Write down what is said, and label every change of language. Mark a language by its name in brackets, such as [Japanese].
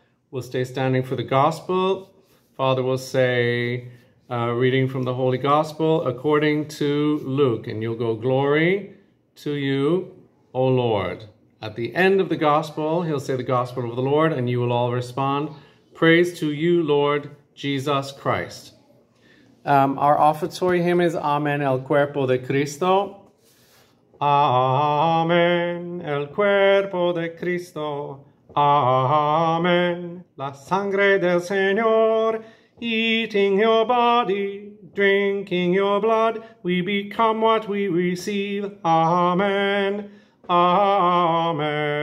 [English] We'll stay standing for the gospel. Father will say, reading from the Holy Gospel according to Luke, and you'll go, glory to you, O Lord. At the end of the gospel, he'll say the gospel of the Lord, and you will all respond, praise to you, Lord Jesus Christ. Our offertory hymn is [Spanish] Amen, el cuerpo de Cristo. Amen, el cuerpo de Cristo. Amen, la sangre del Señor. [English] Eating your body, drinking your blood, we become what we receive. Amen. Amen.